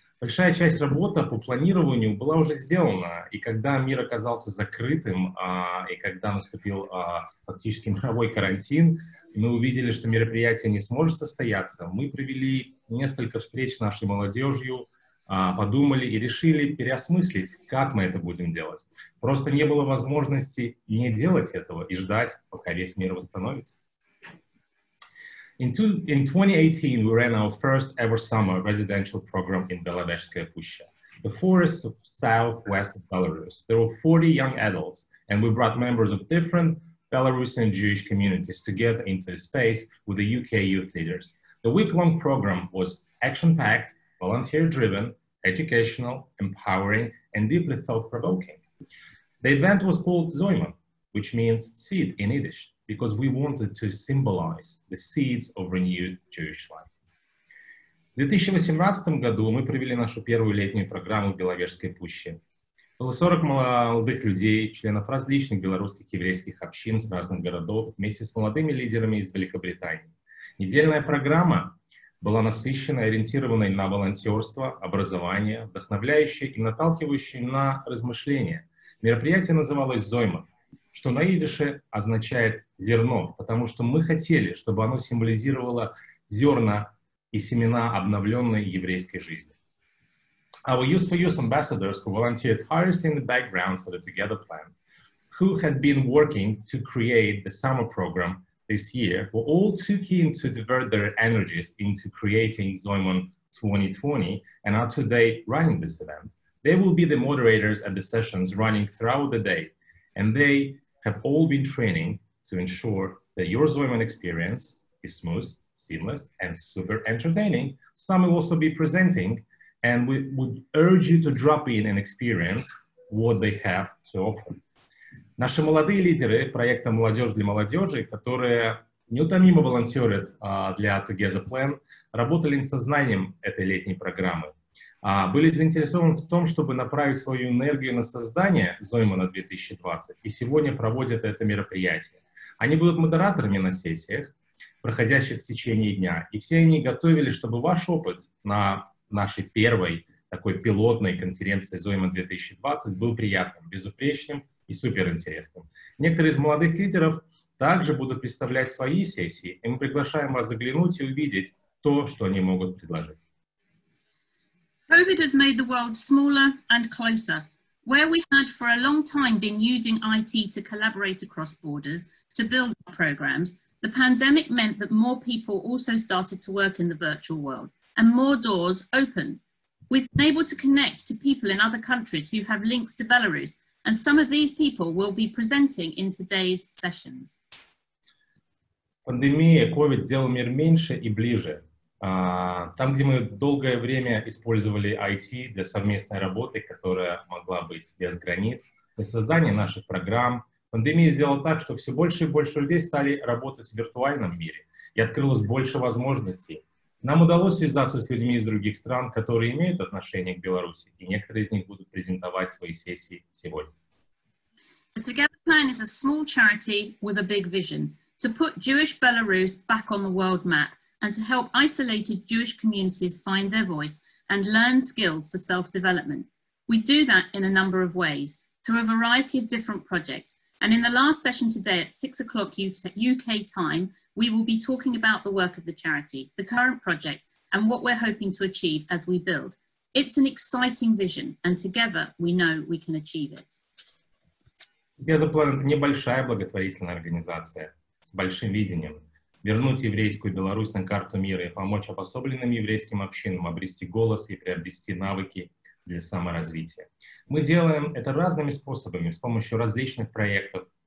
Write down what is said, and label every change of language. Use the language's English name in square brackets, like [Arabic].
[Russian] Большая часть работы по планированию была уже сделана, и когда мир оказался закрытым, и когда наступил фактически мировой карантин, мы увидели, что мероприятие не сможет состояться. Мы провели несколько встреч с нашей молодежью, подумали и решили переосмыслить, как мы это будем делать. Просто не было возможности не делать этого и ждать, пока весь мир восстановится. [English] In 2018, we ran our first ever summer residential program in Belovezhskaya Pushcha, the forests of southwest of Belarus. There were 40 young adults, and we brought members of different Belarusian Jewish communities together into a space with the UK youth leaders. The week-long program was action-packed, volunteer-driven, educational, empowering, and deeply thought-provoking. The event was called Zoymen, which means seed in Yiddish, because we wanted to symbolize the seeds of renewed Jewish life. [Russian] В 2018 году мы провели нашу первую летнюю программу в Беловежской пуще. Было 40 молодых людей, членов различных белорусских еврейских общин с разных городов, вместе с молодыми лидерами из Великобритании. Недельная программа была насыщенной, ориентированной на волонтерство, образование, вдохновляющей и наталкивающей на размышления. Мероприятие называлось «Зойма», что на идише означает «зерно», потому что мы хотели, чтобы оно символизировало зерна и семена обновленной еврейской жизни. [English] Our Youth for Youth ambassadors who volunteered tirelessly in the background for the Together Plan, who had been working to create the summer program this year, were all too keen to divert their energies into creating Zoymen 2020 and are today running this event. They will be the moderators at the sessions running throughout the day, and they have all been training to ensure that your Zoymen experience is smooth, seamless, and super entertaining. Some will also be presenting, and we would urge you to drop in and experience what they have to offer. [Russian] Наши молодые лидеры проекта «Молодежь для молодежи», которые неутомимо волонтерят для Together Plan, работали с сознанием этой летней программы, были заинтересованы в том, чтобы направить свою энергию на создание Зоймена 2020, и сегодня проводят это мероприятие. Они будут модераторами на сессиях, проходящих в течение дня, и все они готовились, чтобы ваш опыт на нашей первой такой пилотной конференции Зоймен 2020 был приятным, безупречным и суперинтересным. Некоторые из молодых лидеров также будут представлять свои сессии, и мы приглашаем вас заглянуть и увидеть то, что они могут предложить. [English] COVID has made the world smaller and closer. Where we had for a long time been using IT to collaborate across borders to build our programs, the pandemic meant that more people also started to work in the virtual world, and more doors opened. We've been able to connect to people in other countries who have links to Belarus, and some of these people will be presenting in today's sessions. [Russian] Пандемия COVID сделала мир меньше и ближе. Там, где мы долгое время использовали IT для совместной работы, которая могла быть без границ, для создания наших программ, пандемия сделала так, что все больше и больше людей стали работать в виртуальном мире, и открылось больше возможностей. Нам удалось связаться с людьми из других стран, которые имеют отношение к Беларуси, и некоторые из них будут презентовать свои сессии сегодня. [English] The Together Plan is a small charity with a big vision to put Jewish Belarus back on the world map and to help isolated Jewish communities find their voice and learn skills for self-development. We do that in a number of ways, through a variety of different projects. And in the last session today at 6 o'clock UK time, we will be talking about the work of the charity, the current projects, and what we're hoping to achieve as we build. It's an exciting vision, and together we know we can achieve it. [Russian] Together Plan — это небольшая благотворительная организация с большим видением. Вернуть еврейскую Беларусь на карту мира и помочь обособленным еврейским общинам обрести голос и приобрести навыки для саморазвития. Мы делаем это разными способами, с помощью различных проектов.